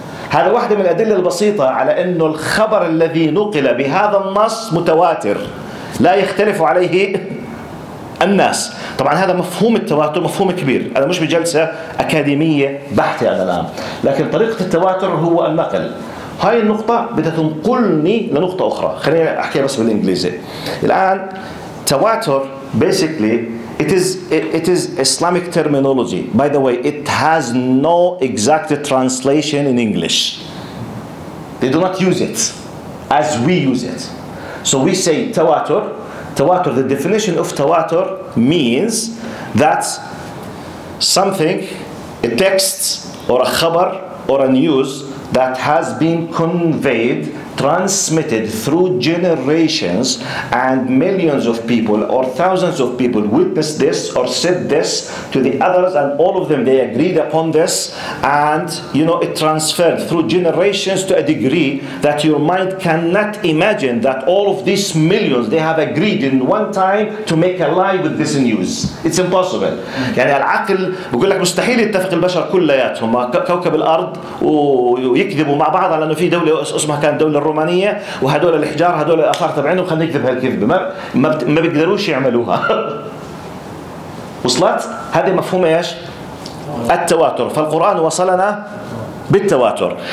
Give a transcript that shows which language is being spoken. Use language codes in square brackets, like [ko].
[ar] هذا واحدة من الأدلة البسيطة على أنه الخبر الذي نقل بهذا النص متواتر لا يختلف عليه الناس. طبعا هذا مفهوم التواتر مفهوم كبير. أنا مش بجلسة أكاديمية بحتة أنا الآن لكن طريقة التواتر هو النقل. هاي النقطة بدها تنقلني لنقطة أخرى خليني أحكيها بس بالإنجليزي الآن. [en] تواتر basically It is Islamic terminology. By the way, it has no exact translation in English. They do not use it as we use it. So we say tawatur. Tawatur, the definition of tawatur means that something, a text or a khabar or a news that has been conveyed, transmitted through generations and millions of people or thousands of people witnessed this or said this to the others and all of them they agreed upon this and you know it transferred through generations to a degree that your mind cannot imagine that all of these millions they have agreed in one time to make a lie with this news. It's impossible. [ar] يعني العقل بقول لك مستحيل يتفق البشر كلياتهم كوكب الأرض ويكذبوا مع بعض لأنه في دولة اسمها كان دولة الرومانية وهدول الحجار هدول الآثار تبعينهم خلينا نكذب هالكذبة ما بيقدروش يعملوها. وصلت؟ هذا مفهوم ايش؟ التواتر. فالقرآن وصلنا بالتواتر.